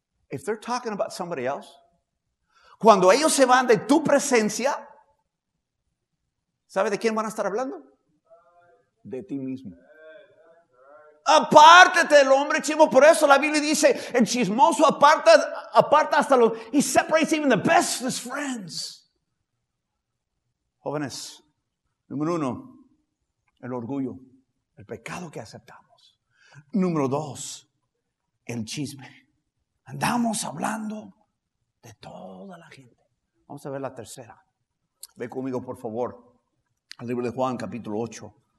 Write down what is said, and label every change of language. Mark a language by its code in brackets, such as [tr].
[en] If they're talking about somebody else, [es] cuando ellos se van de tu presencia, ¿sabe de quién van a estar hablando? De ti mismo. Apártate del hombre chismo. Por eso la Biblia dice, el chismoso aparta hasta los... [en] He separates even the best of his friends. [es] Jóvenes, número uno, el orgullo, el pecado que aceptamos. Número dos, el chisme. Andamos hablando de toda la gente. Vamos a ver la tercera. Ve conmigo, por favor, al libro de Juan, capítulo 8.